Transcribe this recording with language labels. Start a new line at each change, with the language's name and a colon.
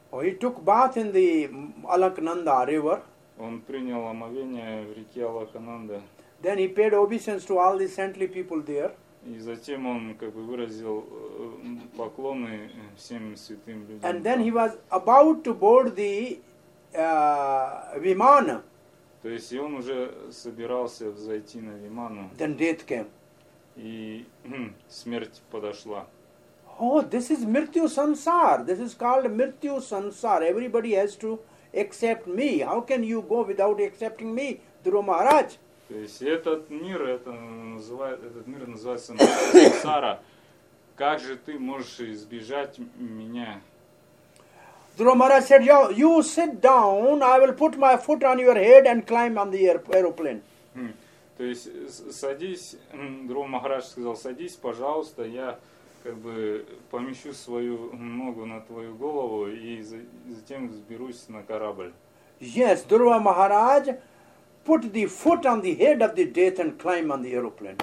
English: Oh, he took bath in the Alaknanda river.
Russian: Он принял омовение в реке Алакананда.
English: Then he paid obeisance to all the saintly people there.
Russian: И затем он как бы выразил поклоны всем святым людям.
English: And then he was about to board the Vimana.
Russian: То есть и он уже собирался взойти на Виману.
English: Then death came.
Russian: И смерть подошла.
English: Oh, this is Mrityu Sansar. This is called Mrityu Sansar. Everybody has to accept me. How can you go without accepting me, Dhruva Maharaj?
Russian: То есть этот мир называется Сансара. Как же ты можешь избежать меня?
English: Dhruva Maharaj said, you sit down, I will put my foot on your head and climb on the aeroplane.
Russian: То есть садись, Dhruva Maharaj сказал, садись, пожалуйста, я как бы помещу свою ногу на твою голову и затем взберусь на корабль.
English: Yes, Dhruva Maharaj put the foot on the head of the death and climb on the aeroplane.